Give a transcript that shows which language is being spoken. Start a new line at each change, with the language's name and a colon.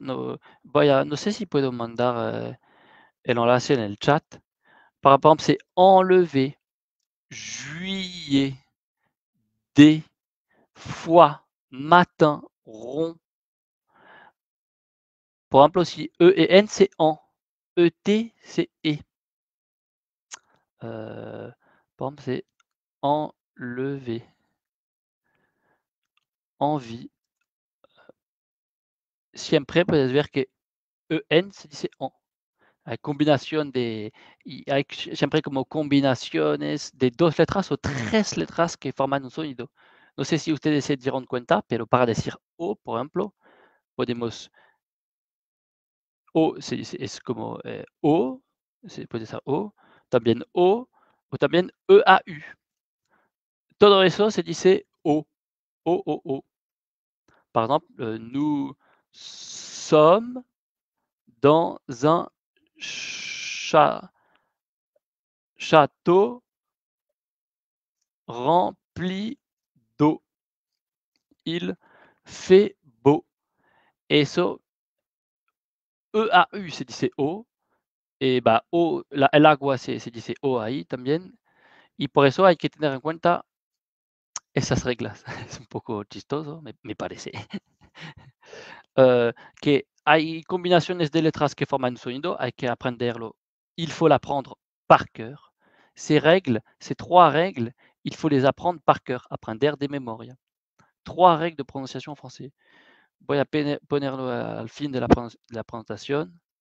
Spanish: No sé si puedo mandar el enlace en el chat.
French: Par exemple, c'est enlever. Juillet. Des. Fois. Matin. Rond.
Spanish: Por ejemplo, si E y N, c'est en. ET, c'est E. Por ejemplo,
French: c'est enlever. Envie.
Spanish: Siempre puedes ver que EN se dice en. Hay combinación de. Hay siempre como combinaciones de dos letras o tres letras que forman un sonido. No sé si ustedes se dieron cuenta, pero para decir O, por ejemplo, podemos. O, es como O, se puede ser O, también O, o también EAU. Todo eso se dice O, O, O, O.
French: Par exemple, nous sommes dans un château rempli d'eau. Il fait beau. Eso
Spanish: E-A-U, se dice O. Et bah, O, el agua se dice O ahí también. Y por eso hay que tener en cuenta esas reglas. Es un poco chistoso, me parece. Que hay combinaciones de letras que forman un sonido, hay que aprenderlo.
French: Il faut l'apprendre par cœur. Ces règles, ces trois règles, il faut les apprendre par cœur, apprendre de memoria. Trois règles de prononciation en français.
Spanish: Voy a ponerlo al fin de la présentation.